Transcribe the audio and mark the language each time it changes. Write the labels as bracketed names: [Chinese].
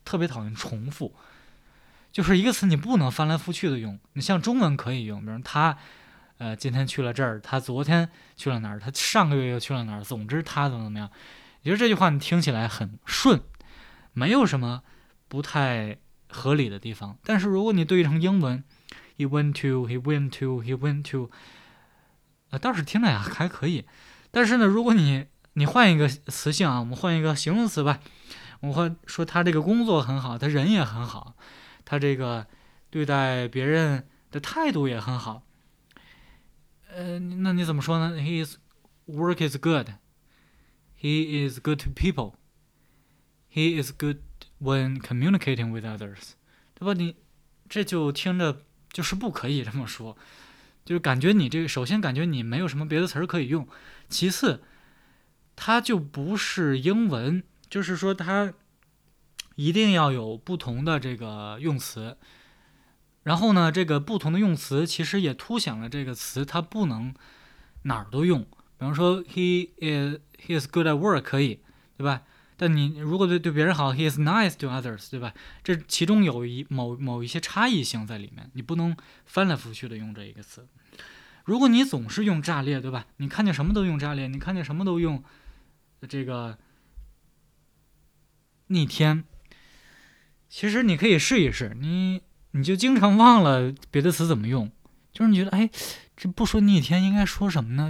[Chinese] 特别讨厌重复，就是一个词你不能翻来覆去的用。你像中文可以用，比如他今天去了这儿，他昨天去了哪儿，他上个月又去了哪儿，总之他怎么怎么样，也就是这句话你听起来很顺，没有什么不太合理的地方。但是如果你对成英文 [English] he went to, he went to, he went to, [Chinese] 倒是听着呀还可以。但是呢，如果你换一个词性啊，我们换一个形容词吧，我会说他这个工作很好，他人也很好，他这个对待别人的态度也很好， [English] 那你怎么说呢？His work is good. He is good to people. He is good when communicating with others. [Chinese] 对吧？你这就听着就是不可以这么说，就是感觉你这个首先感觉你没有什么别的词儿可以用，其次，它就不是英文，就是说它一定要有不同的这个用词。然后呢，这个不同的用词其实也凸显了这个词它不能哪儿都用。比方说 [English] he is good at work [Chinese] 可以，对吧？但你如果对别人好 [English] he is nice to others， [Chinese] 对吧？这其中有一某一些差异性在里面，你不能翻来覆去的用这一个词。如果你总是用炸裂，对吧？你看见什么都用炸裂，你看见什么都用这个逆天，其实你可以试一试，你就经常忘了别的词怎么用，就是你觉得哎，这不说逆天应该说什么呢？